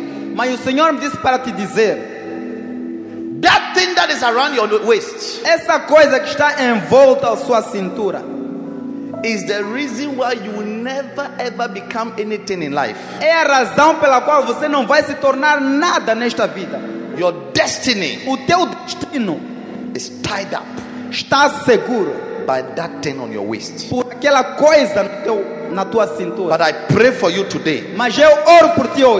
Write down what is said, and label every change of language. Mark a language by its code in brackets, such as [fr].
[pt] Mas o Senhor me disse para te dizer. [en] That thing that is around your waist. [pt] Essa coisa que está em volta à sua cintura. [en] Is the reason why you will never ever become anything in life. [pt] É a razão pela qual você não vai se tornar nada nesta vida. [en] Your destiny. [pt] O teu destino. [en] Is tied up. [pt] Está seguro. [en] By that thing on your waist. [pt] Por aquela coisa na tua cintura. [en] But I pray for you today. [pt] Mas eu oro por ti hoje.